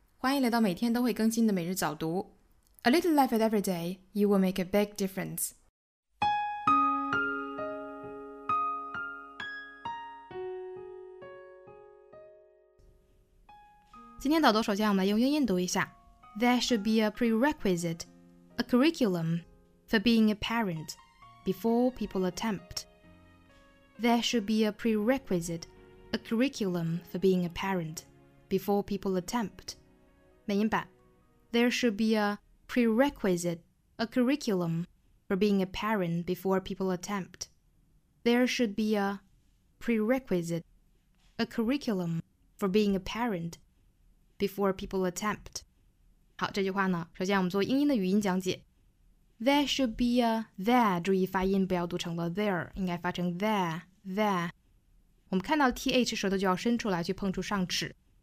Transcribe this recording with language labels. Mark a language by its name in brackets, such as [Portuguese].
[Chinese] 欢迎来到每天都会更新的每日早读。 [English] A little life at every day, you will make a big difference. [Chinese] 今天早读首先我们来用英音读一下。 [English] There should be a prerequisite, a curriculum, for being a parent, before people attempt. There should be a prerequisite, a curriculum, for being a parent. Before people attempt. [Chinese] 美音版 [English] There should be a prerequisite, a curriculum, for being a parent before people attempt. There should be a prerequisite, a curriculum, for being a parent before people attempt. [Chinese] 好，这句话呢，首先我们做英音的语音讲解。 [English] There should be a there, [Chinese] 注意发音不要读成了 there, 应该发成 there, there. 我们看到 th 舌头就要伸出来去碰触上齿。